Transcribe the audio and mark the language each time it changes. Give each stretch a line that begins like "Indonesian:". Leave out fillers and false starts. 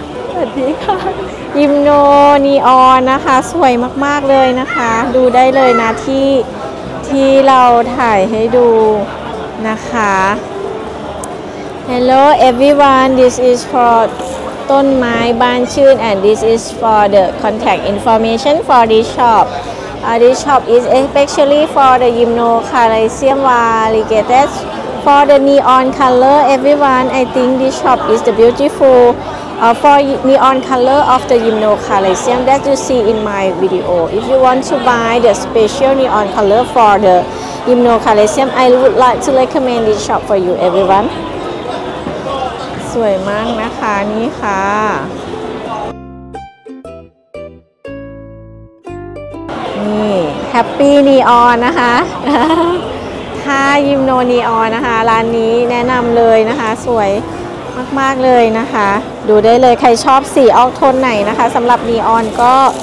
Thai: สวัสดีค่ะยิมโนนีออนนะคะสวยมากๆเลยนะคะดูได้เลยนะที่เราถ่ายให้ดูนะคะ
English: Hello everyone, this is for ต้นไม้บ้านชื่น and this is for the contact information for this shop. This shop is especially for the Gymno Calcium Variegated for the neon color everyone. I think this shop is the beautiful for neon color of the Gymno Calcium that you see in my video. If you want to buy the special neon color for the Gymno Calcium, I would like to recommend this shop for you everyone
Thai: สวยมากนะคะนี่ค่ะนี่แฮปปี้นีออนนะคะถ้ายิมโนนีออนนะคะร้านนี้แนะนำเลยนะคะสวยมากๆเลยนะคะดูได้เลยใครชอบสีออกโทนไหนนะคะสำหรับนีออนก็